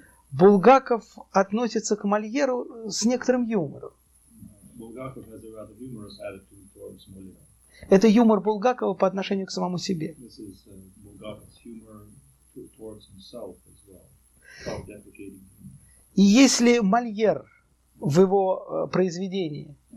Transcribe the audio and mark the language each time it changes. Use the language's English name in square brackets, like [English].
[Russian] Булгаков относится к Мольеру с некоторым юмором. [English] Bulgakov has a rather humorous attitude towards Molière. [Russian] Это юмор Булгакова по отношению к самому себе. [English] This is Bulgakov's humor towards himself as well. Self-deprecating humor. [Russian] И если Мольер в его произведении